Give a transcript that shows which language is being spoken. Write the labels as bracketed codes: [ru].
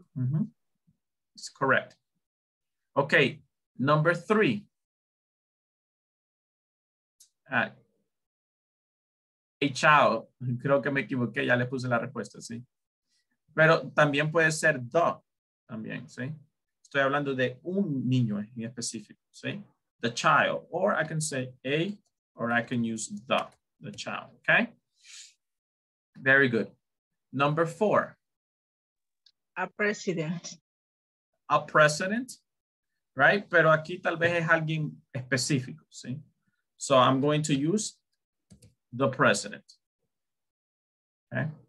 [en] Mm-hmm. It's correct. Okay, number three. A child. [es] Creo que me equivoqué, ya le puse la respuesta, sí. Pero también puede ser the, también, sí. Estoy hablando de un niño en específico, sí. [en] The child, or I can say a, or I can use the child, okay? Very good. Number four. A president. A president, right? [es] Pero aquí tal vez es alguien específico, sí. [en] So I'm going to use the president, okay?